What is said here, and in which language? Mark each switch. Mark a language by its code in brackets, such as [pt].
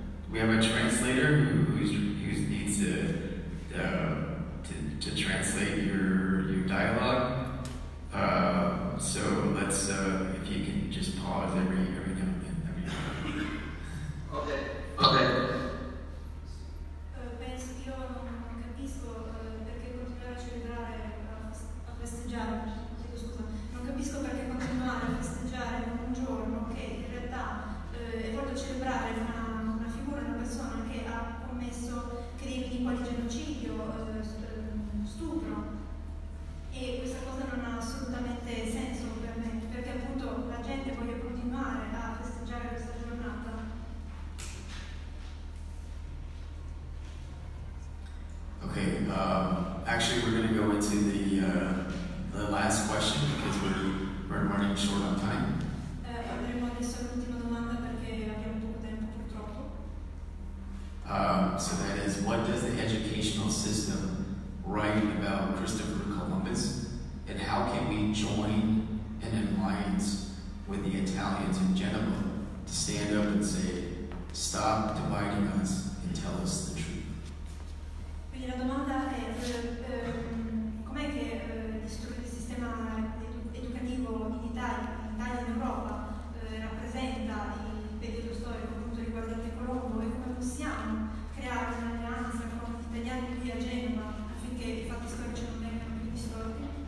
[en] We have a translator who needs to translate your dialogue. So let's if you can just pause every now and then. Okay. Okay. [it] Penso che io non capisco perché continuare a celebrare a festeggiare. Non capisco perché continuare a festeggiare un giorno che in realtà è proprio celebrare persona che ha commesso crimini quali genocidio, stupro, e questa cosa non ha assolutamente senso per me, perché appunto la gente voglia continuare a festeggiare questa giornata. [en] Okay, actually we're going to go into the last question because we're running short on time. [it] Andremo adesso all'ultima domanda perché abbiamo poco tempo purtroppo. [en] So that is, what does the educational system write about Christopher Columbus, and how can we join an alliance with the Italians in Genoa to stand up and say, stop dividing us and tell us the truth? [it] Quindi la domanda è, com'è che il sistema educativo in Italia e in Europa rappresenta il periodo storico appunto riguardante Colombo, e come possiamo creare un'alleanza con gli italiani qui a Genova affinché i fatti storici non vengano più distorti?